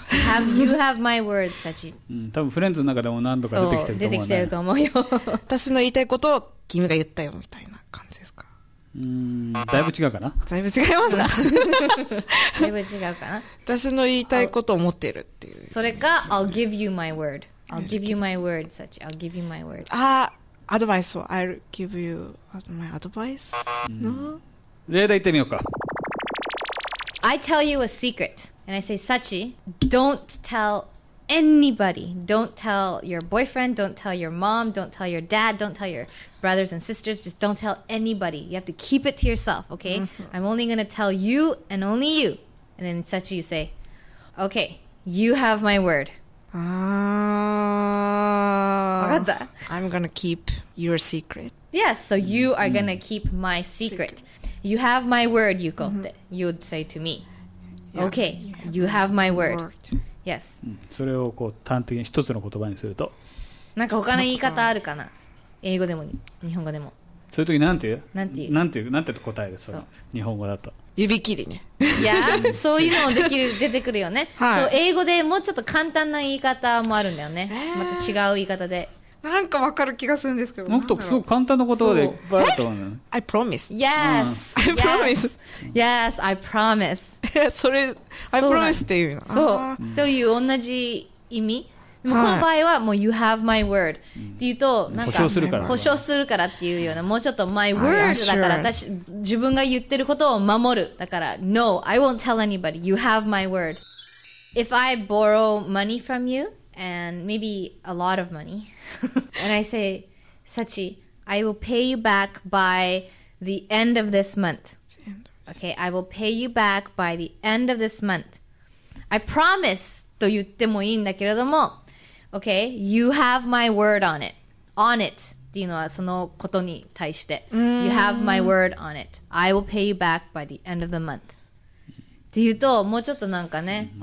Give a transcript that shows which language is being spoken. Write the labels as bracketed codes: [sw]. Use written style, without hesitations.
[en] have, You have my word Sachin、 [ja] うん、多分フレンズの中でも何度か出てきてると思 う, う出てきてると思うよ私の言いたいことを君が言ったよみたいな感じですか。だいぶ違うかな。だいぶ違いますか。だいぶ違うかな。私の言いたいことを持ってるっていう、 [en] それか I'll give you my wordI'll give you my word, such. I'll give you my word. Advice. So I'll give you my advice. No. [ja] 例題言ってみようか。 [en] I tell you a secret, and I say, Sachi, don't tell anybody. Don't tell your boyfriend. Don't tell your mom. Don't tell your dad. Don't tell your brothers and sisters. Just don't tell anybody. You have to keep it to yourself, okay? I'm only gonna tell you and only you. And then Sachi, you say, okay, you have my word. I'm gonna keep your secret. Yes, so you are gonna keep my secret. You have my word, Yuko, って you would say to me. Yeah, okay, you have my word. Yes. [ja] それをこう端的に一つの言葉にすると。なんか他の言い方あるかな？英語でも日本語でも。そういう時なんて言う？なんて言う？なんて言う？なんて答える？その日本語だと。指切りね。いや、そういうのもできる出てくるよね。はい。そう、英語でもうちょっと簡単な言い方もあるんだよね。また違う言い方で。なんかわかる気がするんですけど、もっとすごく簡単な言葉でいっぱいあると思うの。 [en] I promise. Yes. I promise. Yes, I promise. [ja] それ、 I promise っていうの。そう。という同じ意味。でもこの場合はもう You have my word って言うと、なんか保証するから。保証するからっていうような、もうちょっと My word だから、私、自分が言ってることを守る。 [en] だから、 No, I won't tell anybody. You have my word. If I borrow money from you,And maybe a lot of money. And I say, Sachi, I will pay you back by the end of this month. Okay, I will pay you back by the end of this month. I promise と言ってもいいんだけれども、 Okay, you have my word on it. On it っていうのはそのことに対して。 You have my word on it. I will pay you back by the end of the month. [ja] って言うと、もうちょっとなんかね、